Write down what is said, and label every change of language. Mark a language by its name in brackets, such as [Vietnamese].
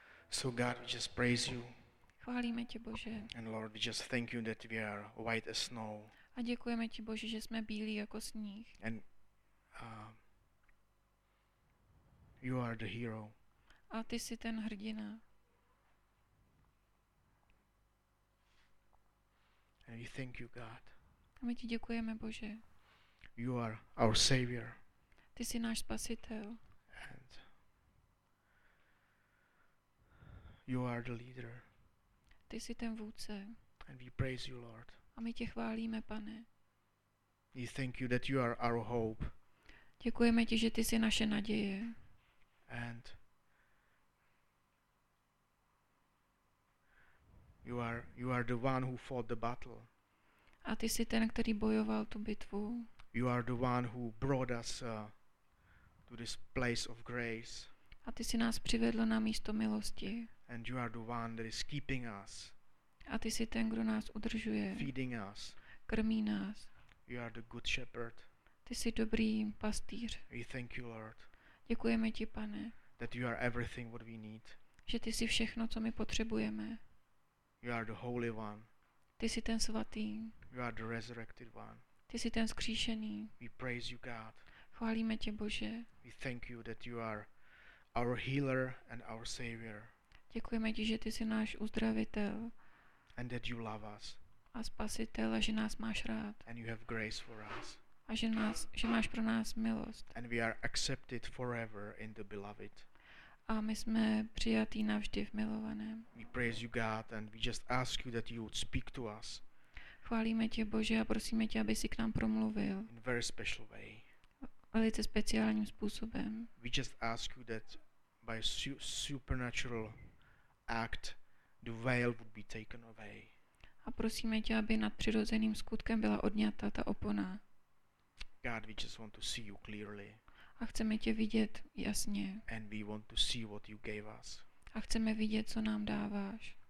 [English] So God, we just praise you. [Czech] Chválíme tě, Bože. [English] And Lord, we just thank you that we are white as snow. [Czech] A děkujeme ti, Bože, že jsme bílí jako sníh. [English] And you are the hero. [Czech] A ty jsi ten hrdina. [English] And we thank you, God. [Czech] A my ti děkujeme, Bože. [English] You are our savior. [Czech] Ty jsi náš spasitel. [English] And you are the leader. [Czech] Ty jsi ten vůdce. [English] And we praise you, Lord. [Czech] A my tě chválíme, Pane. [English] We thank you that you are our hope. [Czech] Děkujeme ti, že ty jsi naše naděje. [English] And you are the one who fought the battle. [Czech] A ty jsi ten, který bojoval tu bitvu. [English] You are the one who brought us to this place of grace. [Czech] A ty jsi nás přivedl na místo milosti. [English] And you are the one that is keeping us. [Czech] A ty jsi ten, kdo nás udržuje. [English] Feeding us. [Czech] Krmí nás. [English] You are the good shepherd. [Czech] Ty jsi dobrý pastýř. [English] We thank you, Lord. [Czech] Děkujeme ti, Pane. [English] That you are everything what we need. [Czech] Že ty jsi všechno, co my potřebujeme. [English] You are the holy one. [Czech] Ty jsi ten svatý. [English] You are the resurrected one. [Czech] Ty jsi ten vzkříšený. [English] We praise you, God. [Czech] Chválíme tě, Bože. [English] We thank you that you are our healer and our savior. [Czech] Děkujeme ti, že ty jsi náš uzdravitel. [English] And that you love us. [Czech] A spasitel, a že nás máš rád. [English] And you have grace for us. [Czech] A že máš pro nás milost. [English] And we are accepted forever in the beloved. [Czech] A my jsme přijatí navždy v milovaném. [English] We praise you, God, and we just ask you that you would speak to us. [Czech] Chválíme tě, Bože, a prosíme tě, aby si k nám promluvil. [English] In very special way. [Czech] Velice speciálním způsobem. [English] We just ask you that by supernatural act the veil would be taken away. [Czech] A prosíme tě, aby nadpřirozeným skutkem byla odňata ta opona. [English] God, we just want to see you clearly. [Czech] A chceme tě vidět jasně. [English] And we want to see what you gave us. [Czech] A chceme vidět, co nám dáváš.